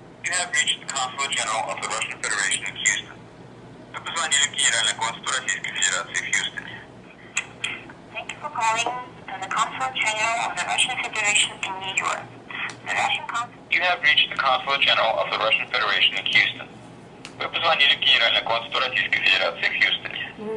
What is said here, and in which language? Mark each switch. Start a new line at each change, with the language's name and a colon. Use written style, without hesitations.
English: have reached the Consul General of the Russian Federation in Houston.
Russian: Мы позвонили в Генеральный консул Российской Федерации в Хьюстоне.
English: Thank you for calling the Consul General of the Russian Federation in New York. You have reached the Consul General of the Russian Federation in Houston.
Russian: Вы позвонили в Генеральный консул Российской Федерации в Хьюстоне.